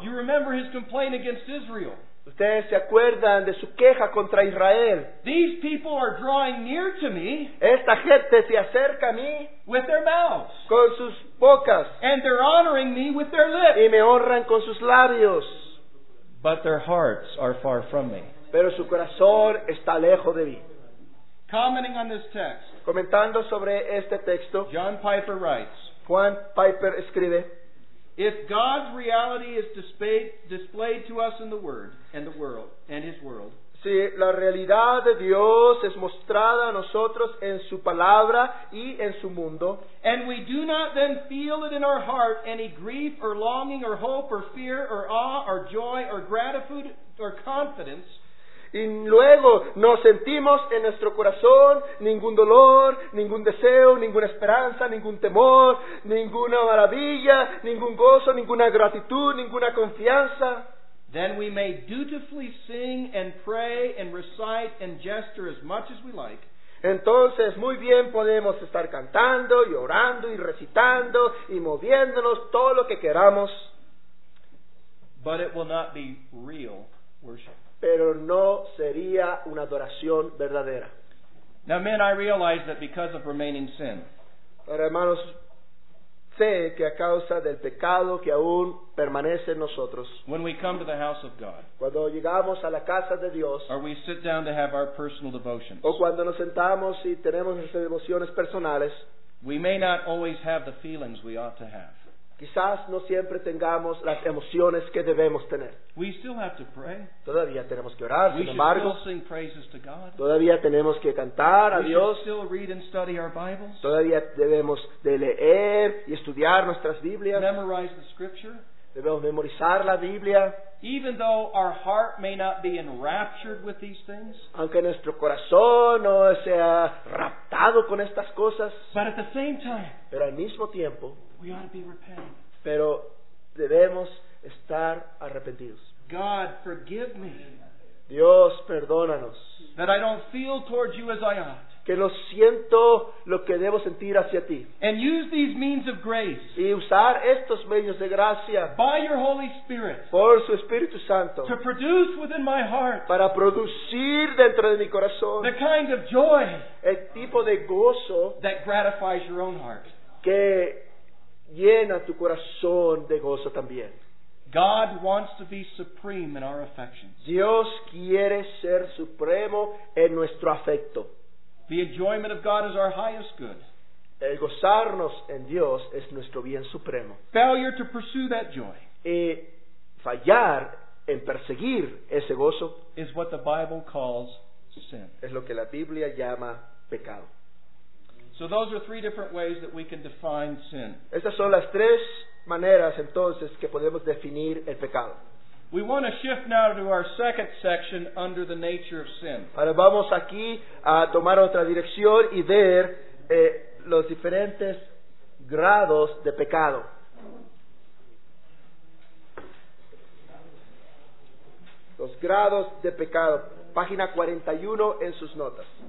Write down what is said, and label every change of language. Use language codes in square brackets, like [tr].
[en] You remember his complaint against Israel. [es] Ustedes se acuerdan de su queja contra Israel. [en] These people are drawing near to me. [es] Esta gente se acerca a mí. [en] With their mouths. [es] Con sus bocas. [en] And they're honoring me with their lips. [es] Y me honran con sus labios. [en] But their hearts are far from me. [es] Pero su corazón está lejos de mí. [en] Commenting on this text. [es] Comentando sobre este texto. [en] John Piper writes. [es] Juan Piper escribe. [en] If God's reality is displayed to us in the Word and the world and His world, [es] si la realidad de Dios es mostrada a nosotros en su palabra y en su mundo, [en] and we do not then feel it in our heart any grief or longing or hope or fear or awe or joy or gratitude or confidence, [es] y luego no sentimos en nuestro corazón ningún dolor, ningún deseo, ninguna esperanza, ningún temor, ninguna maravilla, ningún gozo, ninguna gratitud, ninguna confianza. [en] Then we may dutifully sing and pray and recite and gesture as much as we like. [es] Entonces, muy bien, podemos estar cantando y orando y recitando y moviéndonos todo lo que queramos. [en] But it will not be real worship. [es] Pero no sería una adoración verdadera. [en] Now, men, I realize that because of remaining sin. [es] Pero hermanos, sé que a causa del pecado que aún permanece en nosotros, [en] when we come to the house of God, [es] cuando llegamos a la casa de Dios, [en] or we sit down to have our personal devotions, [es] o cuando nos sentamos y tenemos nuestras devociones personales, [en] we may not always have the feelings we ought to have. [es] Quizás no siempre tengamos las emociones que debemos tener. [en] We still have to pray. [es] Todavía tenemos que orar. [en] We [es] sin embargo, [en] should still sing praises to God. [es] Todavía tenemos que cantar [en] we [es] a Dios. [en] Should still read and study our Bibles. [es] Todavía debemos de leer y estudiar nuestras Biblias. [en] Memorize the scripture. [es] Debemos memorizar la Biblia. [en] Even though our heart may not be enraptured with these things, [es] aunque nuestro corazón no sea raptado con estas cosas, [en] but at the same time, [es] pero al mismo tiempo, [en] we ought to be repentant. [es] Pero debemos estar arrepentidos. [en] God, forgive me. [es] Dios, perdónanos. [en] That I don't feel towards you as I ought. [es] Que no siento lo que debo sentir hacia ti. [en] And use these means of grace. [es] Y usar estos medios de gracia. [en] By your Holy Spirit. [es] Por su Espíritu Santo. [en] To produce within my heart. [es] Para producir dentro de mi corazón. [en] The kind of joy. [es] El tipo de gozo. [en] That gratifies your own heart. [es] Que llena tu corazón de gozo también. [en] God wants to be supreme in our affections. [es] Dios quiere ser supremo en nuestro afecto. [en] The enjoyment of God is our highest good. [es] El gozarnos en Dios es nuestro bien supremo. [en] Failure to pursue that joy. [es] Y fallar en perseguir ese gozo [en] is what the Bible calls sin. [es] Es lo que la Biblia llama pecado. [en] So those are three different ways that we can define sin. [es] Estas son las tres maneras entonces que podemos definir el pecado. [en] We want to shift now to our second section under the nature of sin. [es] Ahora vamos aquí a tomar otra dirección y ver los diferentes grados de pecado. Los grados de pecado. Página 41 en sus notas.